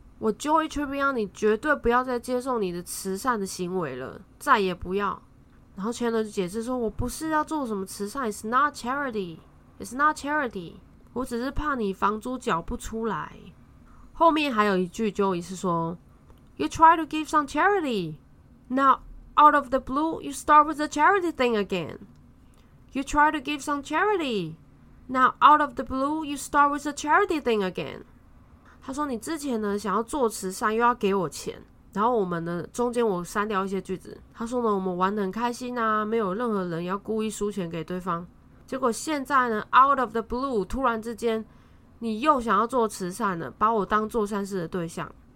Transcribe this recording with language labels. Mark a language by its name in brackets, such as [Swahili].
[Chinese] 我 Joey Tribbiani 绝对不要再接受你的慈善的行为了，再也不要。然后 Chandler 就解释说我不是要做什么慈善， [English] It's not charity. [Chinese] 我只是怕你房租缴不出来。后面还有一句 Joey 是说 [English] You try to give some charity. Now, out of the blue, you start with the charity thing again. You try to give some charity. Now, out of the blue, you start with the charity thing again. [Chinese] 他说你之前呢想要做慈善又要给我钱，然后我们呢中间我删掉一些句子，他说呢我们玩得很开心啊，没有任何人要故意输钱给对方，结果现在呢 [English] out of the blue [Chinese] 突然之间你又想要做慈善了，把我当做善事的对象。